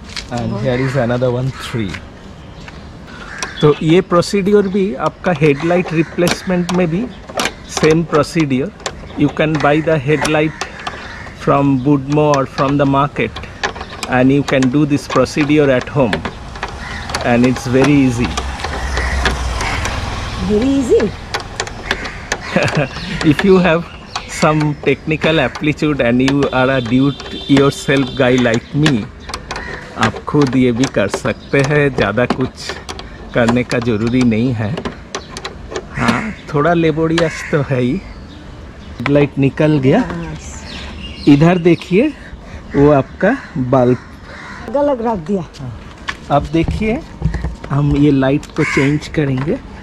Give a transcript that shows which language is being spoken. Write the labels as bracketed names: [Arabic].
[English] And here is another one, three. [Hindi] तो ये procedure भी आपका हेडलाइट रिप्लेसमेंट में भी same procedure. [English] You can buy the headlight from Boodmo और from the market and you can do this procedure at home and it's very easy. Very easy If you have some technical aptitude and you are a do-it-yourself guy like me, [Hindi] आप खुद ये भी कर सकते हैं। ज़्यादा कुछ करने का ज़रूरी नहीं है। हाँ, थोड़ा लेबोरियस तो है ही। लाइट निकल गया। इधर देखिए, वो आपका बल्ब गलत रख दिया। अब देखिए, हम ये लाइट को चेंज करेंगे।